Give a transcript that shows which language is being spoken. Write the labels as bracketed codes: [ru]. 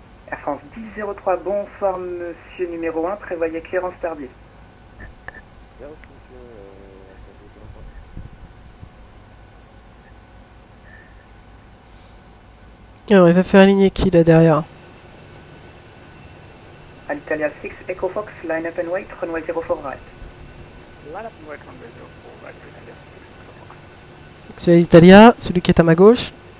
[fr] Air France 1003, bonsoir monsieur numéro 1, prévoyez clear en starbill. Alors il va faire aligner qui là derrière? [en] Alitalia 6, Echo Fox, line up and wait, runway 04 right. Line up and wait, runway 04 right, Alitalia 6, Echo Fox. [fr] C'est Alitalia, celui qui est à ma gauche.